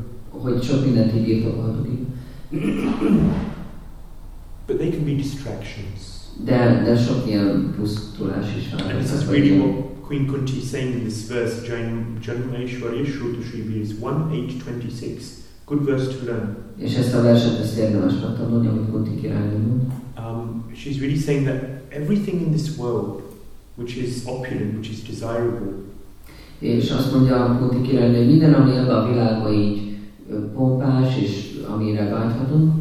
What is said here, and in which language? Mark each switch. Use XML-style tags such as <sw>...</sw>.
<hu>hogy sok mindent így birtokolhatunk.</hu> <en>But they can be distractions.</en> <hu>De sok ilyen pusztulás is van.</hu> <en>And this is really what Queen Kunti is saying in this verse, Janmeshwariya Shruta Sri Vyas 1.8.26. Good verse to learn.</en> <hu>És ezt a verset ezt érdemes megtanulni, amit Kunti királynő mond.</hu> <en>She's really saying that everything in this world, which is opulent, which is desirable.</en> <hu>És azt mondja a Kunti királynő, hogy minden, ami ebben a világban így pompás, és amire vágyhatunk.</hu>